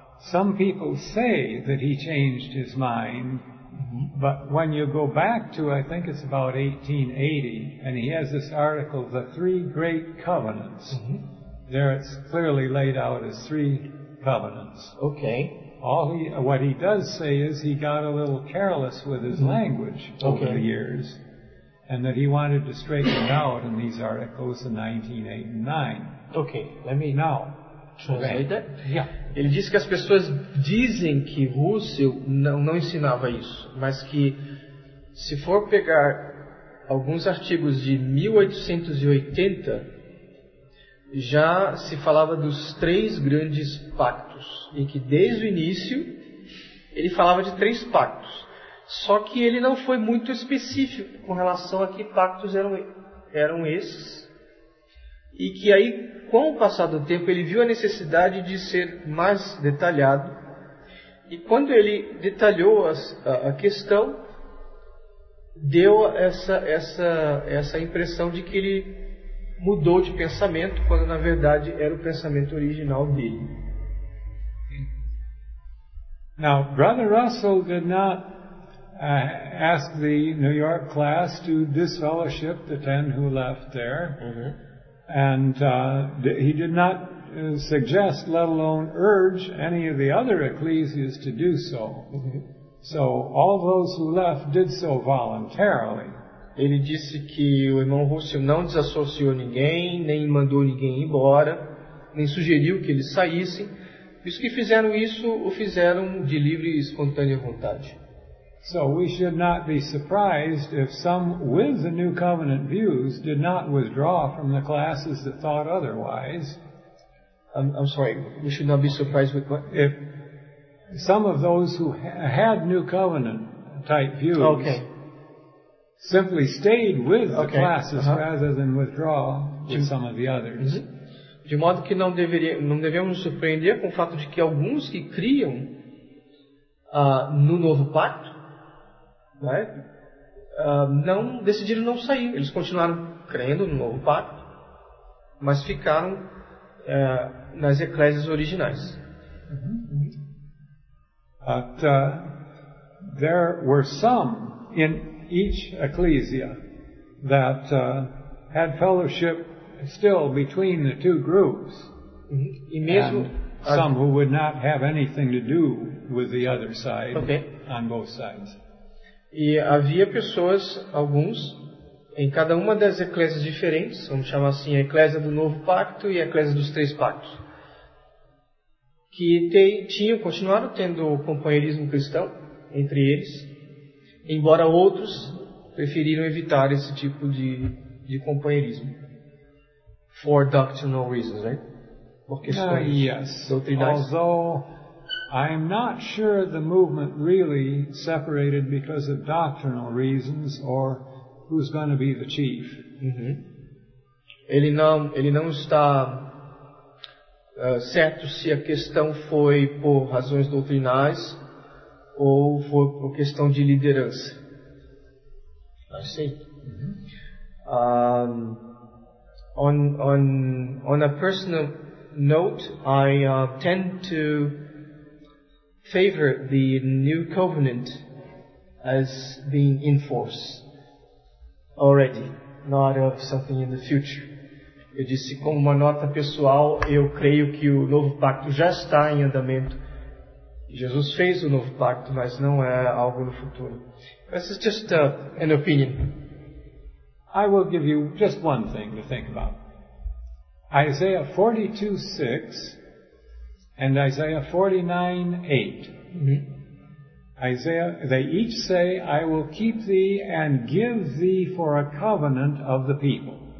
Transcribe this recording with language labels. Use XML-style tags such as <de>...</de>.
<en>Some people say that he changed his mind, but when you go back to, I think it's about 1880, and he has this article, The Three Great Covenants, there it's clearly laid out as three covenants. Okay. What he does say is he got a little careless with his language over the years, and that he wanted to straighten it out in these articles in 1989. Okay, let me now translate that. Yeah.</en> <pt>Ele diz que as pessoas dizem que Russell não ensinava isso, mas que se for pegar alguns artigos de 1880, já se falava dos três grandes pactos, e que desde o início ele falava de três pactos. Só que ele não foi muito específico com relação a que pactos eram esses. E que aí, com o passar do tempo, ele viu a necessidade de ser mais detalhado. E quando ele detalhou a questão, deu essa impressão de que ele mudou de pensamento, quando na verdade era o pensamento original dele.</pt> <en>Now, Brother Russell did not ask the New York class to disfellowship the 10 who left there. And he did not suggest, let alone urge, any of the other ecclesias to do so. So all those who left did so voluntarily.</en> <pt>Ele disse que o irmão Russell não desassociou ninguém, nem mandou ninguém embora, nem sugeriu que eles saíssem. Os que fizeram isso, o fizeram de livre e espontânea vontade.</pt> <en>So we should not be surprised if some with the New Covenant views did not withdraw from the classes that thought otherwise. I'm sorry, we should not be surprised with what? If some of those who had New Covenant type views simply stayed with the classes rather than withdraw to some of the others.</en> <pt>De modo que não devemos nos surpreender com o fato de que alguns que criam no novo pacto, não decidiram não sair. Eles continuaram crendo no novo pacto, mas ficaram nas eclésias originais.</pt> <en>But there were some in each ecclesia that had fellowship still between the two groups.</en> <pt>E mesmo</pt> <en>some who would not have anything to do with the other side on both sides.</en> <pt>E havia pessoas, alguns, em cada uma das eclésias diferentes, vamos chamar assim, a eclésia do Novo Pacto e a eclésia dos Três Pactos, que continuaram tendo companheirismo cristão entre eles, embora outros preferiram evitar esse tipo de companheirismo.</pt> <en>For doctrinal reasons, right?</en> <pt>Por questões doutrinais.</pt> <en>Although I am not sure the movement really separated because of doctrinal reasons or who's going to be the chief. Uhum.</en> <pt>Ele não está certo se a questão foi por razões doutrinais ou foi por questão de liderança.</pt> <en>I see. Uhum. On a personal note, I tend to favor the new covenant as being in force already, not of something in the future.</en> <pt>Eu disse, como uma nota pessoal, eu creio que o novo pacto já está em andamento. Jesus fez o novo pacto, mas não é algo no futuro.</pt> <en>This is just an opinion. I will give you just one thing to think about. Isaiah 42:6 and Isaiah 49:8. Mm-hmm. Isaiah, they each say, I will keep thee and give thee for a covenant of the people.</en>